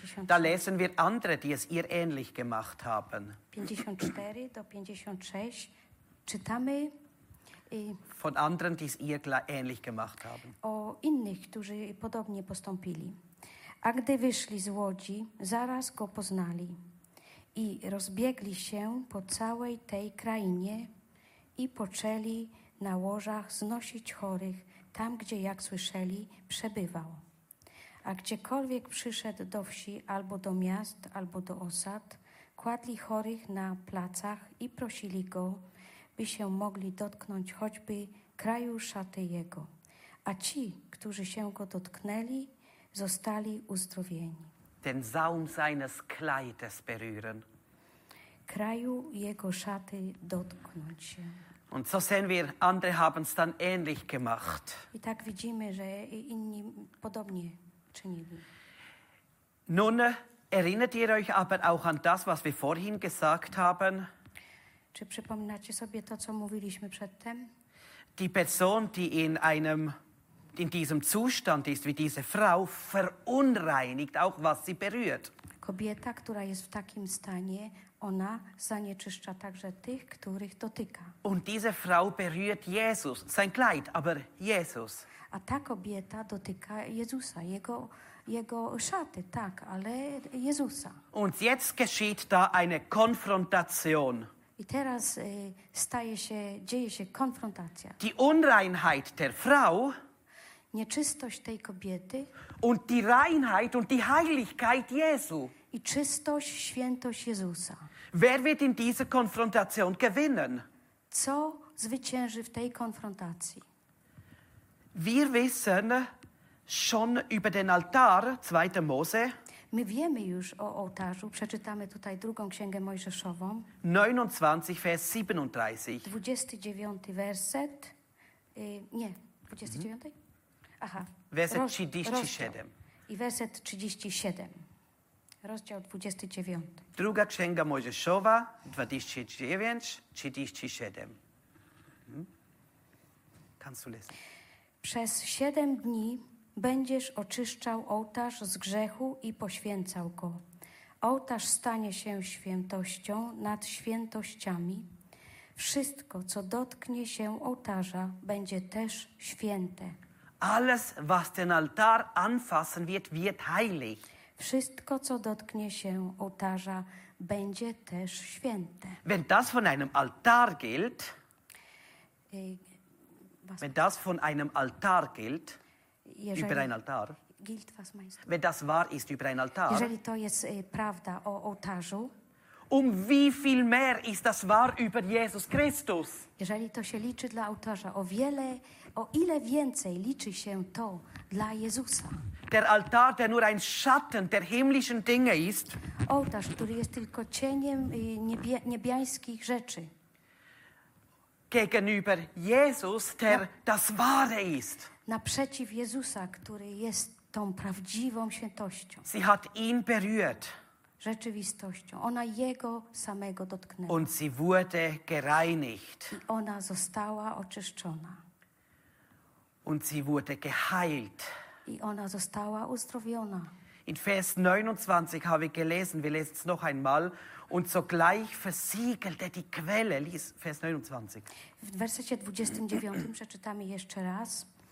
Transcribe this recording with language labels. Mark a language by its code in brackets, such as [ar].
[de] Da lesen wir andere, die es ihr ähnlich gemacht haben. [pl] 54 do 56 czytamy. [de] Von anderen, die es ihr ähnlich gemacht haben. [pl] O innych, którzy podobnie postąpili. A gdy wyszli z łodzi, zaraz go poznali i rozbiegli się po całej tej krainie i poczęli na łożach znosić chorych tam, gdzie, jak słyszeli, przebywał. A gdziekolwiek przyszedł do wsi, albo do miast, albo do osad, kładli chorych na placach i prosili go, by się mogli dotknąć choćby kraju szaty jego. A ci, którzy się go dotknęli, zostali uzdrowieni. [de] Den Saum seines Kleides berühren. [pl] Kraju jego szaty dotknąć się. [de] Und so sehen wir, andere haben es dann ähnlich gemacht. [pl] I tak widzimy, że inni podobnie czynili. [de] Nun, erinnert ihr euch aber auch an das, was wir vorhin gesagt haben? [pl] Czy przypominacie sobie to, co mówiliśmy przedtem? [de] Die Person, die in diesem Zustand ist, wie diese Frau, verunreinigt auch, was sie berührt. [pl] Kobieta, która jest w takim stanie, ona zanieczyszcza także tych, których dotyka. [de] Und diese Frau berührt Jesus, sein Kleid, aber Jesus. [pl] A ta kobieta dotyka Jezusa, jego szaty, tak, ale Jezusa. [de] Und jetzt geschieht da eine Konfrontation. [pl] I teraz dzieje się konfrontacja. [de] Die Unreinheit der Frau. [pl] Nieczystość tej kobiety. [de] Und die Reinheit und die Heiligkeit Jesu. [pl] I czystość, świętość Jezusa. [de] Wer wird in dieser Konfrontation gewinnen? [pl] Co zwycięży w tej konfrontacji? [de] Wir wissen schon über den Altar, 2. Mose. [pl] My wiemy już o ołtarzu. Przeczytamy tutaj drugą księgę Mojżeszową. [de] 29, Vers 37. [pl] 29 werset. Nie, 29? Mhm. Aha. Werset 37. I werset 37. Rozdział 29. Druga księga Mojżeszowa, 29, 37. [de] Kannst du lesen? [pl] Przez 7 dni będziesz oczyszczał ołtarz z grzechu i poświęcał go. Ołtarz stanie się świętością nad świętościami. Wszystko, co dotknie się ołtarza, będzie też święte. [de] Alles, was den Altar anfassen wird, wird heilig. [pl] Wszystko, co dotknie się ołtarza, będzie też święte. [de] Wenn das von einem Altar gilt, was? Wenn das von einem Altar gilt, [pl] jeżeli [de] über ein Altar, gilt was meinst du? Wenn das wahr ist über ein Altar, [pl] jeżeli to jest prawda o ołtarzu, [de] um wie viel mehr ist das wahr über Jesus Christus? [pl] Jeżeli to się liczy dla ołtarza, o wiele, o ile więcej liczy się to dla Jezusa. [de] Der Altar, der nur ein Schatten der himmlischen Dinge ist, [pl] ołtarz, który jest tylko cieniem niebiańskich rzeczy, [de] gegenüber Jesus, der das Wahre ist. [pl] Naprzeciw Jezusa, który jest tą prawdziwą świętością. [de] Sie hat ihn berührt. [pl] Rzeczywistością. Ona jego samego dotknęła. [de] Und sie wurde gereinigt. [pl] I ona została oczyszczona. [de] Und sie wurde geheilt. [pl] I ona została uzdrowiona. [de] In Vers 29 habe ich gelesen, wir lesen es noch einmal. Und sogleich versiegelte die Quelle. Lies Vers 29. [pl] W wersecie 29 przeczytamy jeszcze raz.